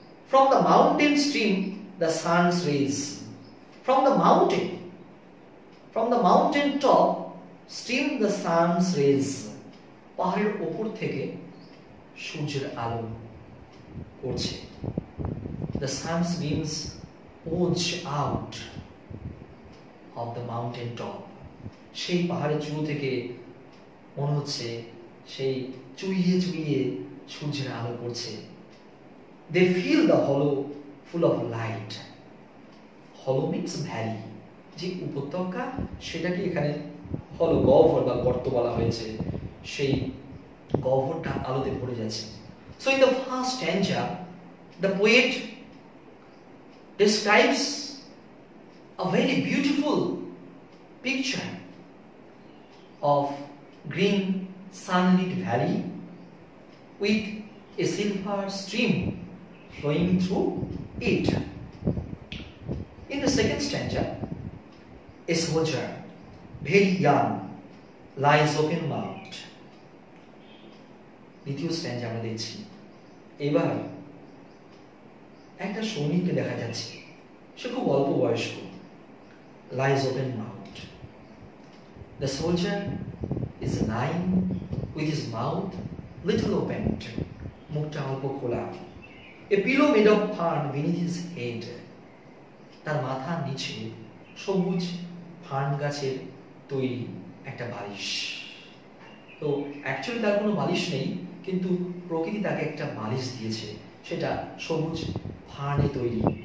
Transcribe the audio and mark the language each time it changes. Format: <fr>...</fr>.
<en>from the mountain stream the sun's rays, from the mountain top stream the sun's rays,</en> <bn>পাহাড়ের ওপর থেকে সূর্যের আলো পড়ছে।</bn> <en>The suns beams pulse out of the mountain top.</en> <bn>সেই পাহাড়ের চূড়া থেকে মনে হচ্ছে সেই চুইয়ে চুইয়ে সূর্যের আলো পড়ছে।</bn> <en>They feel the hollow full of light. Hollow means valley.</en> <bn>যে উপত্যকা সেটাকে এখানে হলো গহ্বর বা গর্ত বলা হয়েছে, সেই গহ্বরটা আলোতে ভরে যাচ্ছে।</bn> <en>So in the first stanza, the poet describes a very beautiful picture of green sunlit valley with a silver stream flowing through it. In the second stanza, a soldier, very young, lies open mouthed.</en> <bn>দ্বিতীয় stand আমরা দেখছি, এবার একটা সৈনিককে দেখা যাচ্ছে, সে খুব অল্প বয়স্ক,</bn> <en>lies open mouth. The soldier is lying with his mouth little open,</en> <bn>মুখটা অল্প খোলা.</bn> <en>A pillow made of fern beneath his head,</en> <bn>তার মাথার নিচে সবুজ ফার্ন গাছের তৈরি একটা বালিশ। তো অ্যাকচুয়ালি তার কোনো বালিশ নেই, কিন্তু প্রকৃতি তাকে একটা বালিশ দিয়েছে, সেটা সবুজ ফার্নে তৈরি।</bn>